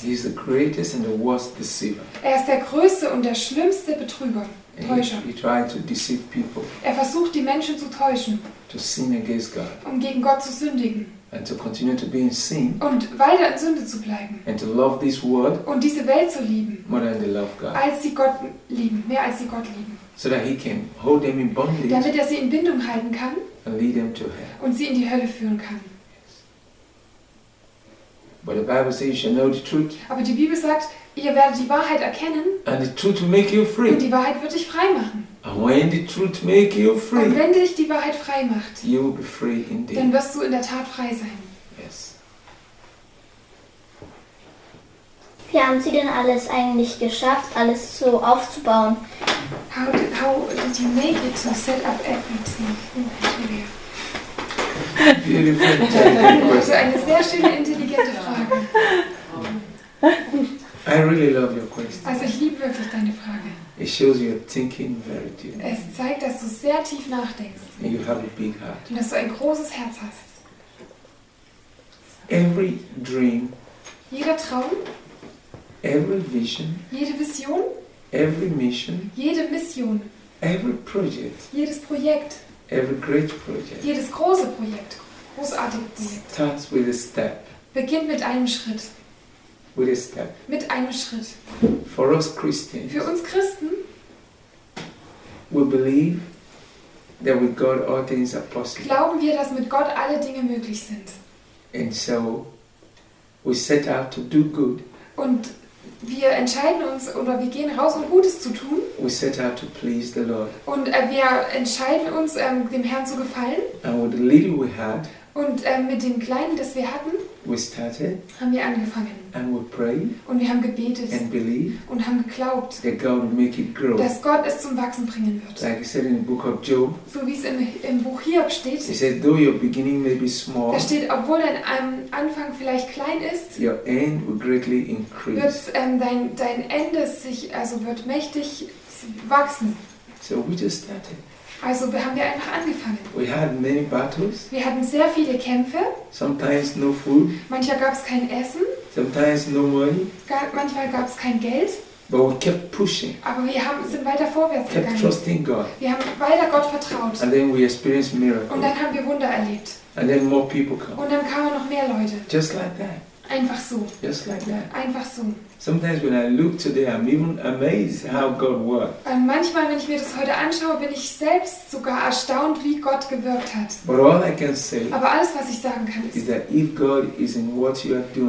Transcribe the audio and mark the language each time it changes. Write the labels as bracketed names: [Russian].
[English] He is the greatest and the worst deceiver. [German] Er ist der größte und der schlimmste Betrüger, Täuscher. [English] He tried to deceive people. [German] Er versucht, die Menschen zu täuschen. [English] To sin against God. [German] Um gegen Gott zu sündigen. [English] And to continue to be in sin, [German] und weiter in Sünde zu bleiben. [English] And to love this world, [German] und diese Welt zu lieben. [English] More than they love God. [German] Als sie Gott lieben, mehr als sie Gott lieben. [English] So that he can hold them in bondage, [German] damit er sie in Bindung halten kann. [English] And lead them to hell. [German] Und sie in die Hölle führen kann. [English] But the Bible says you shall know the truth. [German] Aber die Bibel sagt, ihr werdet die Wahrheit erkennen. [English] And the truth will make you free. [German] Und die Wahrheit wird dich frei machen. [English] And when the truth make you free, [German] und wenn dich die Wahrheit frei macht, [English] you will be free indeed. [German] Dann wirst du in der Tat frei sein. [English] Yes. [German] Wie haben Sie denn alles eigentlich geschafft, alles so aufzubauen? [English] How did you make it to set up everything? [German] Das ist eine sehr schöne, intelligente Frage. [English] I really love your question. [German] Also ich liebe wirklich deine Frage. [English] It shows you're thinking very deep. [German] Es zeigt, dass du sehr tief nachdenkst. [English] And you have a big heart. [German] Und dass du ein großes Herz hast. [English] Every dream, [German] jeder Traum, [English] every vision, [German] jede Vision, [English] every mission, [German] jede Mission, [English] every project, [German] jedes Projekt, [English] every great project, [German] jedes große Projekt, großartige Projekt, [English] starts with a step. [German] Beginnt mit einem Schritt. [English] With a step. [German] Mit einem Schritt. [English] For us Christians, [German] für uns Christen, [English] we believe that with God all things are possible. [German] Glauben wir, dass mit Gott alle Dinge möglich sind. [English] And so we set out to do good. [German] Und wir entscheiden uns oder wir gehen raus, um Gutes zu tun. [English] We set out to please the Lord. [German] Und wir entscheiden uns, dem Herrn zu gefallen. [English] And with the little we had, [German] und mit dem Kleinen, das wir hatten, [English] we started, [German] haben wir angefangen. [English] And we prayed, [German] und wir haben gebetet [English] and believed, [German] und haben geglaubt, [English] that God would make it grow, [German] dass Gott es zum Wachsen bringen wird. [English] Like I said in the book of Job, [German] so wie es im Buch Hiob steht, [English] he said, though your beginning may be small, [German] da steht, obwohl dein Anfang vielleicht klein ist, [English] your end will greatly increase. [German] Wird dein Ende sich, also wird mächtig wachsen. [English] So we just started. [German] Also haben wir einfach angefangen. [English] We had many battles. [German] Wir hatten sehr viele Kämpfe. [English] Sometimes no food. [German] Manchmal gab es kein Essen. [English] Sometimes no money. [German] Manchmal gab es kein Geld. [English] But we kept pushing. [German] Aber wir sind weiter vorwärts gegangen. [English] Kept trusting God. [German] Wir haben weiter Gott vertraut. [English] And then we experienced miracles. [German] Und dann haben wir Wunder erlebt. [English] And then more people come. [German] Und dann kamen noch mehr Leute. [English] Just like that. [German] Einfach so. [English] Just like that. [German] Einfach so. [English] Sometimes when I look today, I'm even amazed how God worked. [German] Und manchmal, wenn ich mir das heute anschaue, bin ich selbst sogar erstaunt, wie Gott gewirkt hat. [English] But all I can say, [German] aber alles, was ich sagen kann, ist, [English] is that if God is in what you are doing,